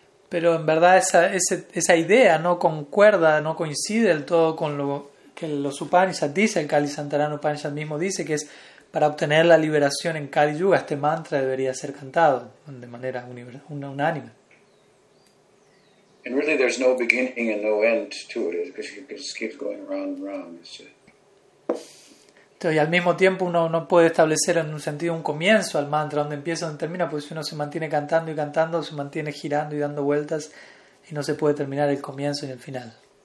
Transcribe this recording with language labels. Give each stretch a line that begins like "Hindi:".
Spanish: Pero en verdad esa idea no concuerda, no coincide del todo con lo que los Upanishads dicen, el Kali Santarana Upanishad mismo dice que es para obtener la liberación en Kali Yuga, este mantra debería ser cantado de manera unánime.
English: And really there's no beginning and no end to it, because it just keeps going round and round.
Spanish: Y al mismo tiempo uno no puede establecer en un sentido un comienzo al mantra, donde empieza, donde termina, porque si uno se mantiene cantando y cantando, se mantiene girando y dando vueltas y no se puede terminar el comienzo y el final.